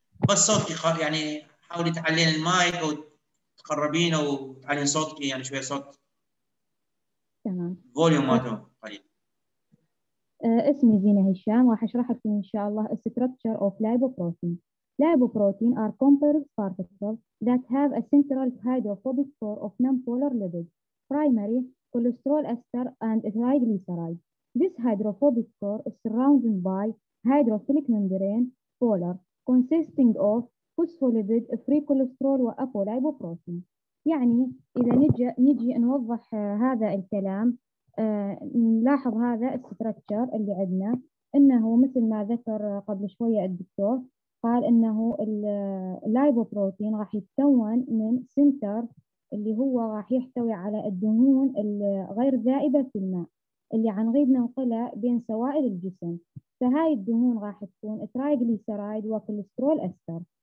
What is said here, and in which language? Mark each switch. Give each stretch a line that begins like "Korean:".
Arabic: بس صوتي يعني حاولي تعلين المايك وتقربين أو تعلين صوتك يعني شوي صوت. تمام. فوليوم قليل. اسمي زينة هشام وحشرح لكم إن شاء الله
English: structure of lipoprotein. Lipoprotein are complex particles that have a central hydrophobic core of nonpolar lipids, primary cholesterol ester and triglycerides. This hydrophobic core is surrounded by hydrophilic membrane polar consisting of phospholipid, free cholesterol, and apolipoprotein.
Arabic: يعني إذا نجي نوضح هذا الكلام نلاحظ هذا الستركتشر اللي عندنا إنه مثل ما ذكر قبل شوية الدكتور قال إنه اللايبوبروتين راح يتكون من سنتر اللي هو راح يحتوي على الدهون الغير ذائبة في الماء اللي عن غيب ننقلها بين سوائل الجسم، فهاي الدهون راح تكون ترايغليسرايد وكوليسترول أستر.